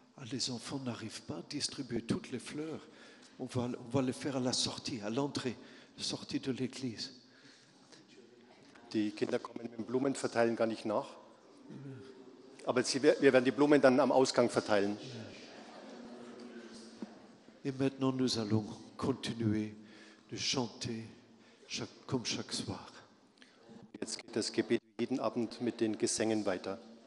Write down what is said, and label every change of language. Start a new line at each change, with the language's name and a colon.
French: Les enfants n'arrivent pas à distribuer toutes les fleurs. On va le faire à la sortie, à l'entrée, sortie de l'église.
German: Die Kinder kommen mit Blumen verteilen gar nicht nach. Aber wir werden die Blumen dann am Ausgang verteilen.
French: Et maintenant nous allons continuer de chanter comme chaque soir.
German: Jetzt geht das Gebet jeden Abend mit den Gesängen weiter.